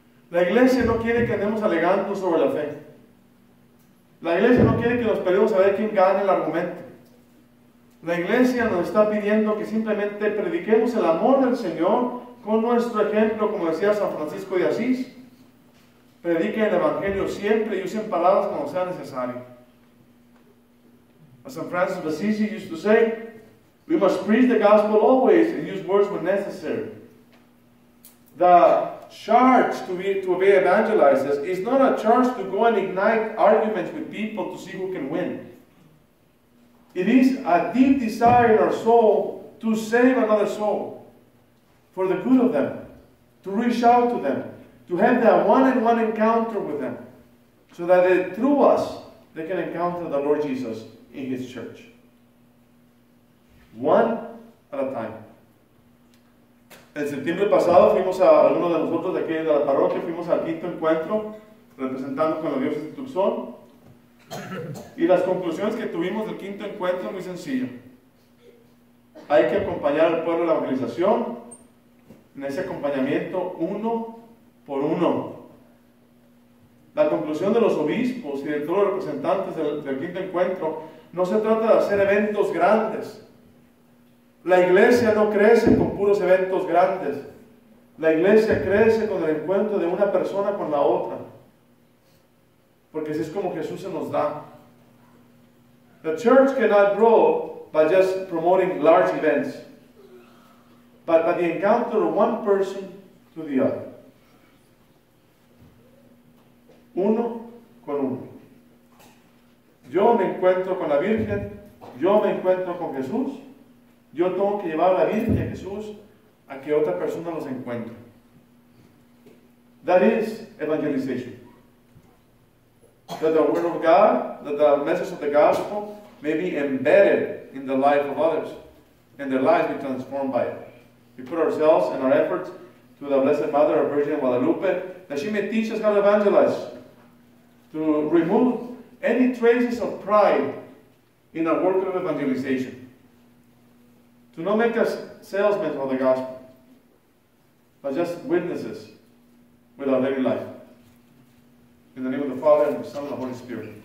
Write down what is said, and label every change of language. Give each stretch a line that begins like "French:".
Spanish: La iglesia no quiere que andemos alegando sobre la fe. La iglesia no quiere que nos peleemos a ver quién gana el argumento. La iglesia nos está pidiendo que simplemente prediquemos el amor del Señor con nuestro ejemplo, como decía San Francisco de Asís. Prediquen el evangelio siempre y usen palabras cuando sea necesario.
English: As St. Francis of Assisi used to say, we must preach the gospel always and use words when necessary. The charge to be evangelizers is not a charge to go and ignite arguments with people to see who can win. It is a deep desire in our soul to save another soul for the good of them, to reach out to them, to have that one-on-one encounter with them, so that through us they can encounter the Lord Jesus in his church. One at a time.
Spanish: En septiembre pasado fuimos a alguno de nosotros de aquí de la parroquia, fuimos al quinto encuentro representando con la diócesis de Tucson. Y las conclusiones que tuvimos del quinto encuentro, muy sencillo. Hay que acompañar al pueblo de la evangelización en ese acompañamiento uno por uno. La conclusión de los obispos y de todos los representantes del quinto encuentro: no se trata de hacer eventos grandes. La iglesia no crece con puros eventos grandes. La iglesia crece con el encuentro de una persona con la otra. Porque así es como Jesús se nos da.
English: The church cannot grow by just promoting large events. But by the encounter of one person to the other.
Spanish: Uno con uno. Yo me encuentro con la Virgen, yo me encuentro con Jesús, yo tengo que llevar a la Virgen y a Jesús a que otra persona los encuentre.
English: That is evangelization. That the word of God, that the message of the gospel may be embedded in the life of others, and their lives be transformed by it. We put ourselves and our efforts to the Blessed Mother of Virgin Guadalupe, that she may teach us how to evangelize, to remove any traces of pride in our work of evangelization, to not make us salesmen of the gospel, but just witnesses with our living life. In the name of the Father, and of the Son, and of the Holy Spirit.